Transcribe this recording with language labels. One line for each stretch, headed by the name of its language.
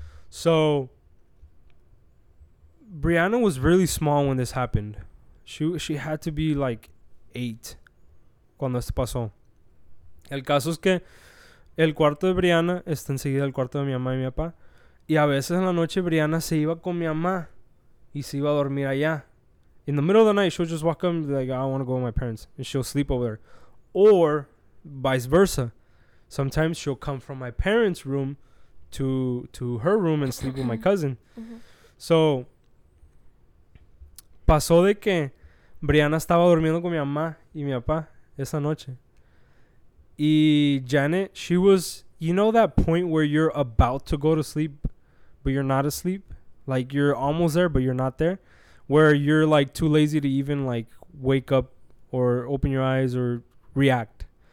English: So Brianna was really small when this happened. She had to be like 8
Spanish: cuando esto pasó. El caso es que el cuarto de Brianna está enseguida el cuarto de mi mamá y mi papá. Y a veces en la noche Brianna se iba con mi mamá y se iba a dormir allá.
English: In the middle of the night, she'll just walk up and be like, I want to go with my parents. And she'll sleep over there. Or vice versa. Sometimes she'll come from my parents' room to her room and sleep with my cousin. Mm-hmm.
Spanish: So, pasó de que Brianna estaba durmiendo con mi mamá y mi papá esa noche.
English: Y Janet, she was, you know that point where you're about to go to sleep, but you're not asleep? Like, you're almost there, but you're not there? Where you're, like, too lazy to even, like, wake up or open your eyes or react.